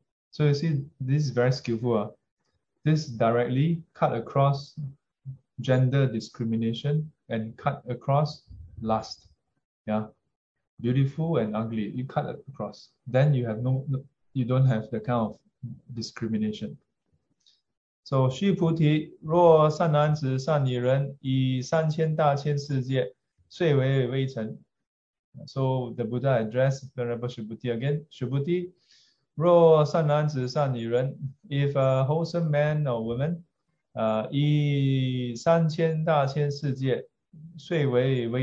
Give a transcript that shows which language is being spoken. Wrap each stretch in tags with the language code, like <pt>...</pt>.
<en>So you see, this is very skillful. This directly cut across gender discrimination and cut across lust. Yeah. Beautiful and ugly, you cut it across. Then you have no, you don't have the kind of discrimination. So</en> <zh>须菩提，若善男子、善女人，以三千大千世界，遂为微尘。</zh> <en>So the Buddha addressed Venerable Shibuti again.</en> <zh>Shibuti, 若善男子善女人,</zh> <en>if a wholesome man or woman,</en> <zh>以三千大千世界，遂为微尘.</zh>